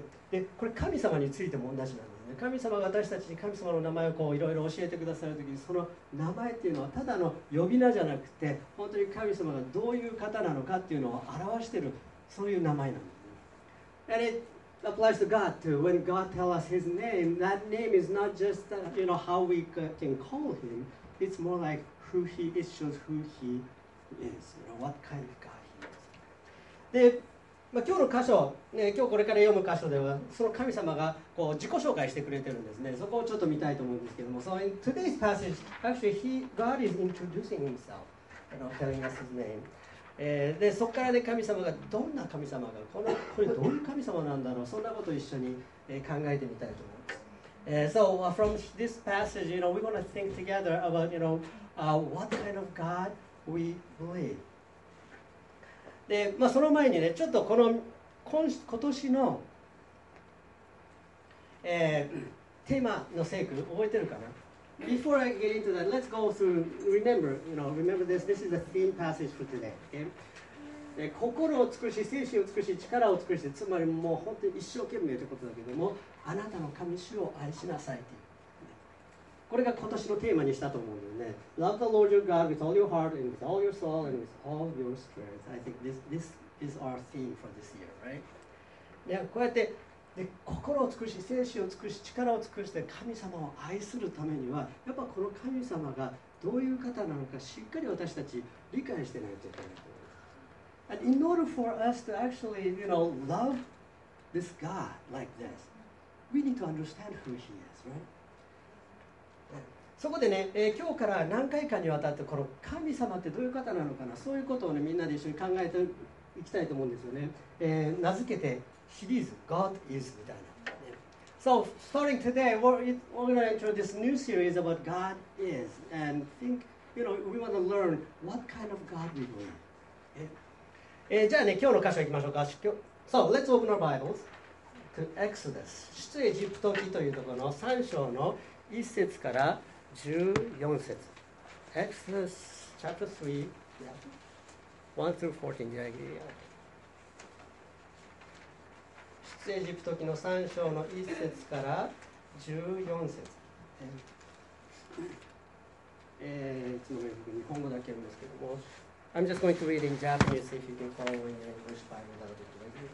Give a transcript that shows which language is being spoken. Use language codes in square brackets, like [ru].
[ja] で、これ神様についても同じなんですね。神様が私たちに神様の名前をこういろいろ教えてくださるときに、その名前っていうのはただの呼び名じゃなくて、本当に神様がどういう方なのかっていうのを表してるそういう名前なんですね。 [en] And it,applies to God too. When God tells us His name, that name is not just you know, how we can call Him. It's more like who He is, shows who He is, you know, what kind of God He is. [ja] で、まあ、今日の箇所、ね、今日これから読む箇所では、その神様がこう自己紹介してくれてるんですね。そこをちょっと見たいと思うんですけども。 [en] So in today's passage, actually, God is introducing Himself, you know, telling us His name. [ja] でそこからね神様がどんな神様がこれどういう神様なんだろうそんなことを一緒に、考えてみたいと思います。 [en] So from this passage, you know, we want to think together about, you know, what kind of God we believe. [ja] で、まあ、その前にねちょっとこの今年の、テーマの聖句覚えてるかな [en] Before I get into that, let's go through. Remember, you know, remember this. This is a theme passage for today. Okay? [ja] 心を尽くし、精神を尽くし、力を尽くして、つまりもう本当に一生懸命ということだけども、あなたの神主を愛しなさいという。これが今年のテーマにしたと思うよね。 [en] Love the Lord your God with all your heart and with all your soul and with all your spirit. I think this is our theme for this year, right? [ja] Yeah, こうやって。で心を尽くし、精神を尽くし、力を尽くして神様を愛するためにはやっぱこの神様がどういう方なのかしっかり私たち理解してないといけない。 [en] And in order for us to actually, you know, love this God like this, we need to understand who he is, right? [ja] そこでね、今日から何回かにわたってこの神様ってどういう方なのかな、そういうことをね、みんなで一緒に考えていきたいと思うんですよね。名付けてシリーズ God is みたいな。 [en] So starting today we're going to introduce this new series about God is and think, you know, we want to learn what kind of God we are. [ja] じゃあね、今日の箇所いきましょうか。 [en] So let's open our Bibles to Exodus [ja] 出エジプト記というところの3章の1節から14節。 [en] Exodus chapter 3、yeah. 1 through 14 did I get it? [ja] 出エジプト記の3章の1節から14節。いつも日本語だけ読むんですけども、 [en] I'm just going to read in Japanese, see if you can follow in your English Bible, that would be great.